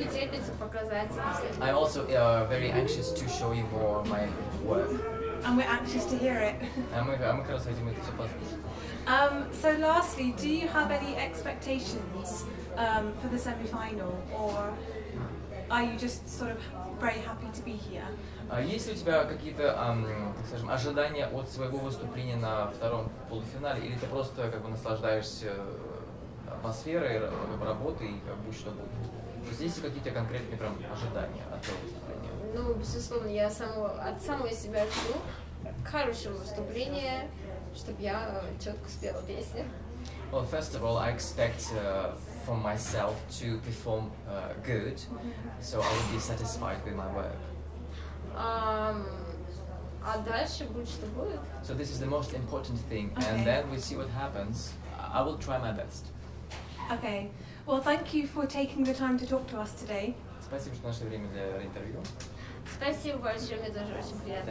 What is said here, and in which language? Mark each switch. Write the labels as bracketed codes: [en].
[ru] тоже очень интересно показать. [en] I also very anxious to show you more of my work. And we're anxious to hear it. Мы как раз хотим это все послушать. So lastly, do you have any expectations for the semi-final, or are you just sort of very happy to be here? [ru] Есть ли у тебя какие-то, так скажем, ожидания от своего выступления на втором полуфинале, или ты просто как бы наслаждаешься атмосферы работы и как бы что будет. То есть есть какие-то конкретные прям ожидания от этого выступления? Ну, безусловно, я от самого себя жду хорошего выступления, чтобы я четко спела песни. [en] Well, first of all, I expect from myself to perform good, so I will be satisfied with my work. [ru] А дальше будет что будет? [en] So this is the most important thing, okay. And then we see what happens. I will try my best. Okay. Well, thank you for taking the time to talk to us today. [ru] Спасибо, что нашли время для интервью. Спасибо большое, мне тоже очень приятно.